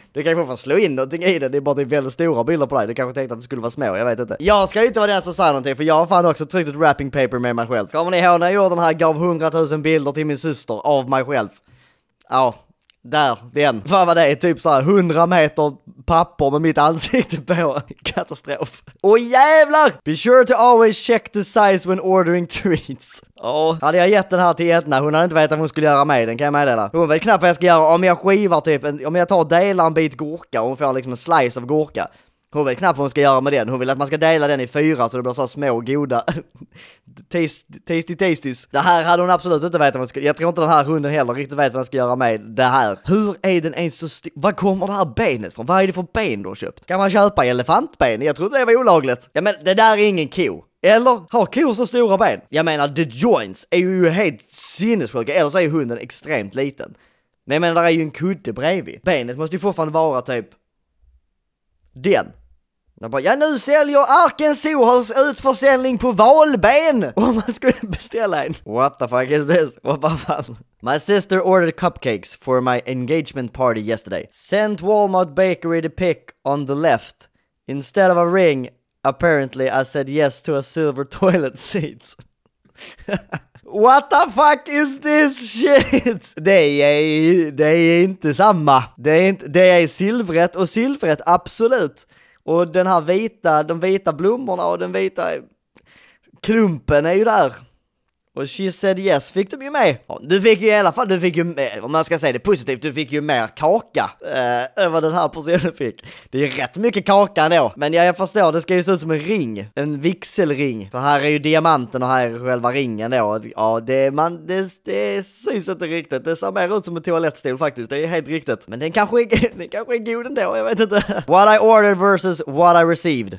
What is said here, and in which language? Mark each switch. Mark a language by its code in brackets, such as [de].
[sv] Du kan fortfarande slå in någonting i det. Det är bara väldigt stora bilder på dig. Du kanske tänkte att det skulle vara små, jag vet inte. Jag ska ju inte vara den som säger någonting. För jag har fan också tryckt ett wrapping paper med mig själv. Kommer ni ihåg när jag gjorde den här, gav 100 000 bilder till min syster av mig själv? Ja, där, den. Vad var det? Typ så här 100 meter papper med mitt ansikte på. Katastrof. Åh jävlar! [en] Be sure to always check the size when ordering treats. Oh. [sv] Hade jag gett den här till Edna, hon hade inte vetat vad hon skulle göra med den, kan jag meddela. Hon vet knappt vad jag ska göra om jag skivar typ, om jag tar och delar en bit gurka och hon får liksom en slice av gurka. Hon vet knappt vad hon ska göra med den. Hon vill att man ska dela den i fyra så det blir så små och goda. Tasty. Det här hade hon absolut inte vetat vad hon ska. Jag tror inte den här hunden heller riktigt vet vad den ska göra med det här. Hur är den ens så stor? Var kommer det här benet från? Vad är det för ben du har köpt? Kan man köpa elefantben? Jag trodde det var olagligt. Ja men det där är ingen ko. Eller har kor så stora ben? Jag menar the joints är ju helt sinnessjuka. Eller så är hunden extremt liten. Men jag menar det är ju en kudde bredvid. Benet måste ju fortfarande vara typ... Den. Jag bara, ja nu säljer Arken Sohals utförsäljning på valben! Och man skulle beställa en. [en] What the fuck is this? [sv] Vad fan? [en] My sister ordered cupcakes for my engagement party yesterday. Sent Walmart Bakery the pick on the left. Instead of a ring, apparently I said yes to a silver toilet seat. What the fuck is this shit? [sv] Det är inte samma. Det är silvret och silvret, absolut. Och den här vita, de vita blommorna och den vita klumpen är ju där. Och [en] she said yes, [sv] fick de ju med. Du fick ju i alla fall, du fick ju med, om man ska säga det positivt, du fick ju mer kaka än vad den här personen fick. Det är ju rätt mycket kaka ändå. Men jag förstår, det ska ju se ut som en ring. En vixelring. Så här är ju diamanten och här är själva ringen då. Ja, det syns inte riktigt. Det ser mer ut som en toalettstol faktiskt. Det är helt riktigt. Men den kanske är god ändå, jag vet inte. [en] What I ordered versus what I received.